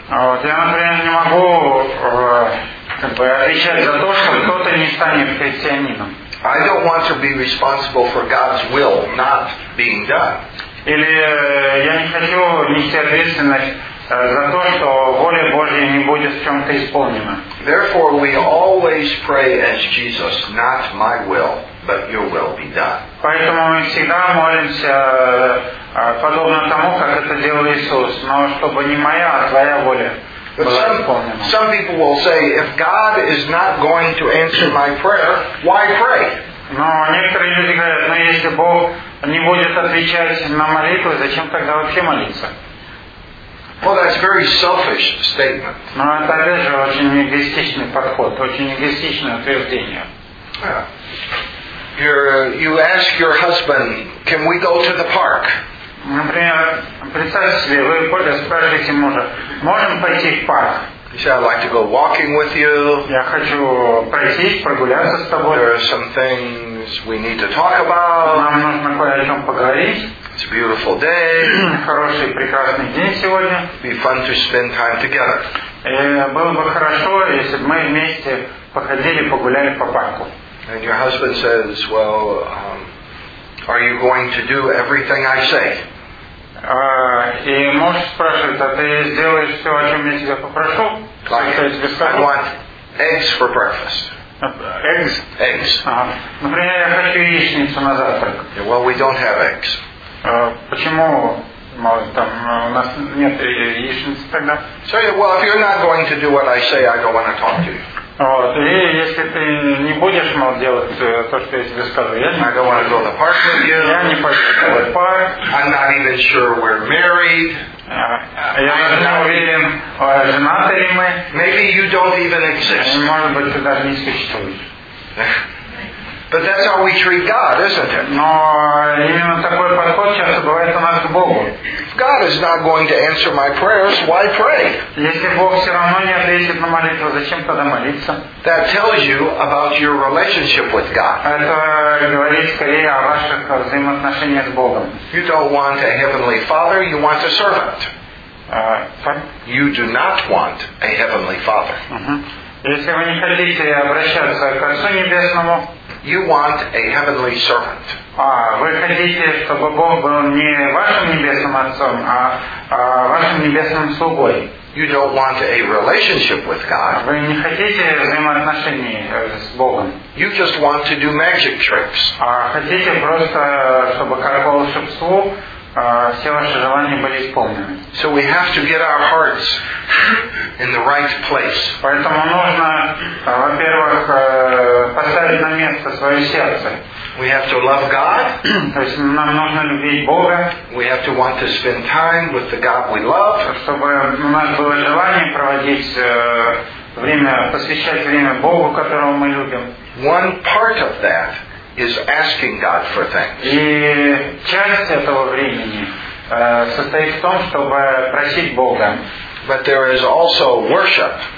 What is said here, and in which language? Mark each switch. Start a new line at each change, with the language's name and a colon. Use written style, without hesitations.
Russian: Я, например, не могу отвечать за то, что кто-то не станет христианином.
English: I don't want to be responsible for God's will not being done.
Russian: Или я не хочу нести ответственность за то, что воля Божья не будет в чем-то исполнена.
English: Therefore, we always pray as Jesus, not my will, but your will be done.
Russian: Поэтому мы всегда молимся подобно тому, как это делал Иисус, но чтобы не моя, а твоя воля была исполнена.
English: Some people will say, if God is not going to answer my prayer, why pray?
Russian: Но некоторые люди говорят, ну если Бог не будет отвечать на молитвы, зачем тогда вообще молиться?
English: Well, that's a very selfish statement.
Russian: Но это опять же очень эгоистичный подход, очень эгоистичное утверждение.
English: You ask your husband, can we go to the park?
Russian: Например, представьте себе, вы после спрашиваете мужа, можем пойти в парк?
English: He said, I'd like to go walking with you.
Russian: Я хочу пройти, прогуляться с тобой.
English: There are some things we need to talk about.
Russian: Нам нужно кое о чем поговорить.
English: It's a beautiful day.
Russian: Хороший, прекрасный день сегодня.
English: It'd be fun to spend time together.
Russian: Было бы хорошо, если бы мы вместе походили, погуляли по парку.
English: And your husband says, well, are you going to do everything I say?
Russian: И муж спрашивает, а ты сделаешь все, о чем я тебя попрошу?
English: Like, I want eggs for breakfast. Eggs? Eggs.
Russian: Например, я хочу яичницу на завтрак.
English: Yeah, well, we don't have eggs.
Russian: Почему там, у нас нет яичницы тогда?
English: So, well, if you're not going to do what I say, I don't want to talk to you.
Russian: Вот, и если ты не будешь, мол, делать то, что я тебе скажу, я не хочу.
English: I don't want to go to the park with you.
Russian: Я не пойду в парк.
English: I'm not even sure we're married.
Russian: Я даже не уверен, женаты ли мы.
English: Maybe you don't even exist.
Russian: Может быть, ты даже не существуешь.
English: But that's how we treat God, isn't it?
Russian: Но именно такой подход часто бывает у нас к Богу.
English: God is not going to answer my prayers, why pray?
Russian: Если Бог все равно не ответит на молитву, зачем тогда молиться?
English: That tells you about your relationship with God.
Russian: Это говорит скорее о ваших взаимоотношениях с Богом.
English: You don't want a heavenly father, you want a servant. You do not want a heavenly father.
Russian: Если вы не хотите обращаться к Отцу Небесному,
English: you want a heavenly servant.
Russian: Вы хотите, чтобы Бог был не вашим небесным отцом, а вашим небесным слугой.
English: You don't want a relationship with God.
Russian: Вы не хотите взаимоотношений с Богом.
English: You just want to do magic tricks.
Russian: Хотите просто, чтобы как по волшебству все ваши желания были исполнены.
English: So we have to get our hearts in the right place.
Russian: Поэтому нужно, во-первых, поставить на место свое сердце.
English: We have to love God.
Russian: То есть нам нужно любить Бога.
English: We have to want to spend time with the God we love.
Russian: Чтобы у нас было желание проводить время, посвящать время Богу, которого мы любим.
English: One part of that is asking God for things.
Russian: И часть этого времени состоит в том, чтобы просить Бога.
English: But there is also worship.